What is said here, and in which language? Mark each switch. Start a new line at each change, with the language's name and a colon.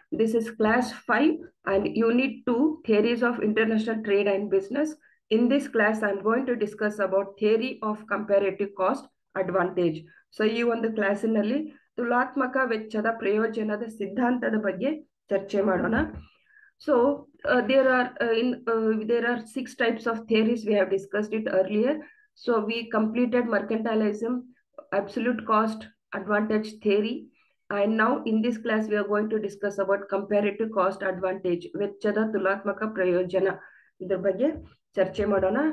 English: This is class 5 and unit 2, Theories of International Trade and Business. In this class, I'm going to discuss about theory of comparative cost advantage.
Kannada: So, ಈ ಒಂದು ಕ್ಲಾಸಿನಲ್ಲಿ ತುಲಾತ್ಮಕ ವೆಚ್ಚದ ಪ್ರಯೋಜನದ ಸಿದ್ಧಾಂತದ ಬಗ್ಗೆ ಚರ್ಚೆ ಮಾಡೋಣ.
English: So there are 6 types of theories. We have discussed it earlier. So we completed mercantilism, absolute cost advantage theory, and now in this class we are going to discuss about comparative cost advantage,
Kannada: ವೆಚ್ಚದ ತುಲಾತ್ಮಕ ಪ್ರಯೋಜನ, ಇದರ ಬಗ್ಗೆ ಚರ್ಚೆ ಮಾಡೋಣ.